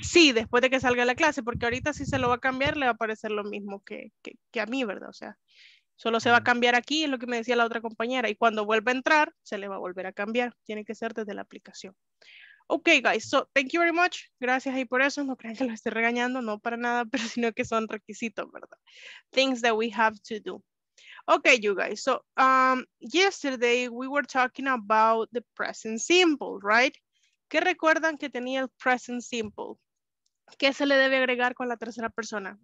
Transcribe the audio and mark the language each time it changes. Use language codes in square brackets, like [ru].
[es] Sí, después de que salga de la clase, porque ahorita si se lo va a cambiar le va a aparecer lo mismo que a mí, ¿verdad? O sea, solo se va a cambiar aquí, es lo que me decía la otra compañera. Y cuando vuelva a entrar, se le va a volver a cambiar. Tiene que ser desde la aplicación. [en] Ok, guys. So, thank you very much. [es] Gracias ahí por eso. No crean que lo esté regañando, no para nada, pero sino que son requisitos, ¿verdad? [en] Things that we have to do. Ok, you guys. So, yesterday we were talking about the present simple, right? [es] ¿Qué recuerdan que tenía el present simple? ¿Qué se le debe agregar con la tercera persona?